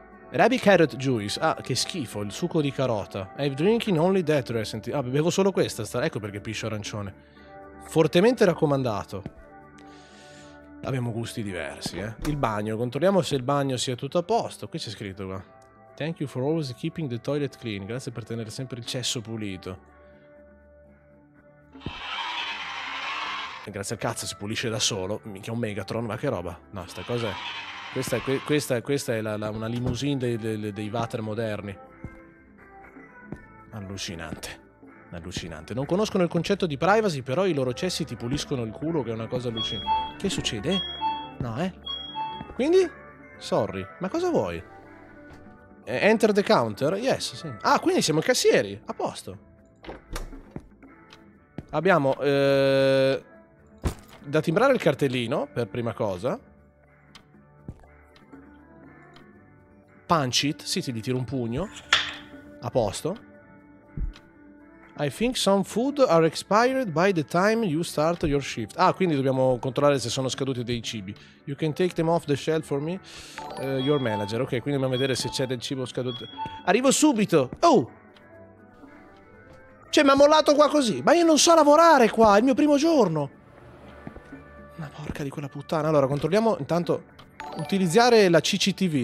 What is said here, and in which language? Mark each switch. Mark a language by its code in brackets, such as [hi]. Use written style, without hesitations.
[en] Rabbit carrot juice. [it] Ah, che schifo, il succo di carota. [en] I'm drinking only that recently. [it] Ah, bevo solo questa. Ecco perché piscio arancione. Fortemente raccomandato. Abbiamo gusti diversi, eh. Il bagno. Controlliamo se il bagno sia tutto a posto. Qui c'è scritto qua. [en] Thank you for always keeping the toilet clean. [it] Grazie per tenere sempre il cesso pulito. Grazie al cazzo si pulisce da solo. Mica un Megatron, ma che roba. No, sta cosa è... Questa è una limousine dei water moderni. Allucinante. Allucinante. Non conoscono il concetto di privacy, però i loro cessi ti puliscono il culo, che è una cosa allucinante. Che succede? No, eh? Quindi? [en] Sorry. [it] Ma cosa vuoi? [en] Enter the counter? Yes, [it] sì. Ah, quindi siamo i cassieri. A posto. Abbiamo... da timbrare il cartellino, per prima cosa. [en] Punch it. [it] Sì, ti gli tiro un pugno. A posto. [en] I think some food are expired by the time you start your shift. [it] Ah, quindi dobbiamo controllare se sono scaduti dei cibi. [en] You can take them off the shelf for me. Your manager. [it] Ok, quindi dobbiamo vedere se c'è del cibo scaduto. Arrivo subito. Oh! Cioè, mi ha mollato qua così. Ma io non so lavorare qua. È il mio primo giorno. Ma porca di quella puttana. Allora, controlliamo intanto... Utilizzare la CCTV.